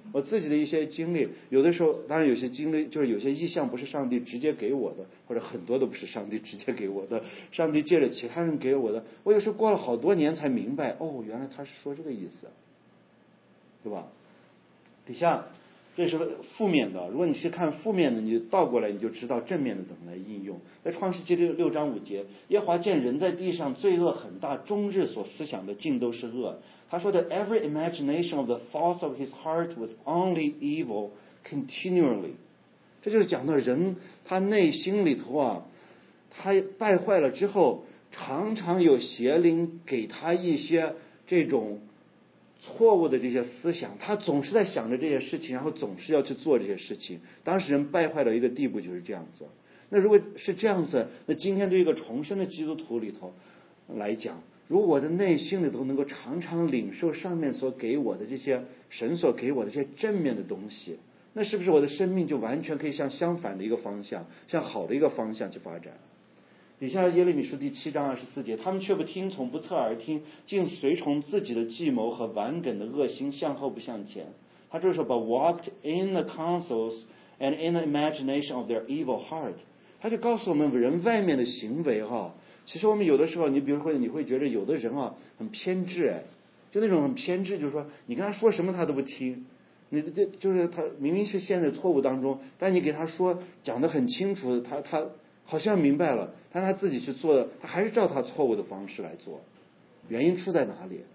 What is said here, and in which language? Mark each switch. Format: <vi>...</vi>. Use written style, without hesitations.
<zh>我自己的一些经历，有的时候当然有些经历就是有些意象不是上帝直接给我的，或者很多都不是上帝直接给我的，上帝借着其他人给我的，我有时候过了好多年才明白，哦，原来他是说这个意思，对吧？底下这是负面的，如果你是看负面的，你倒过来你就知道正面的怎么来应用。在创世纪6:5，耶华见人在地上罪恶很大，终日所思想的尽都是恶。他说的</zh> <en>，Every imagination of the thoughts of his heart was only evil continually。</en> <zh>这就是讲到人他内心里头啊，他败坏了之后，常常有邪灵给他一些这种错误的这些思想，他总是在想着这些事情，然后总是要去做这些事情。当时人败坏到一个地步就是这样子。那如果是这样子，那今天对一个重生的基督徒里头来讲，如果我的内心里头能够常常领受上面所给我的这些神所给我的这些正面的东西，那是不是我的生命就完全可以向相反的一个方向，向好的一个方向去发展？底下耶利米书7:24，他们却不听从，不侧耳听，竟随从自己的计谋和顽梗的恶心，向后不向前。他就是说</zh> <en>but walked in the counsels and in the imagination of their evil heart。</en> <zh>他就告诉我们，人外面的行为哈，其实我们有的时候，你比如说你会觉得有的人啊很偏执，哎，就那种很偏执，就是说你跟他说什么他都不听，你这就是他明明是陷在错误当中，但你给他说讲得很清楚，他好像明白了，但他自己去做的，他还是照他错误的方式来做。原因出在哪里？</zh>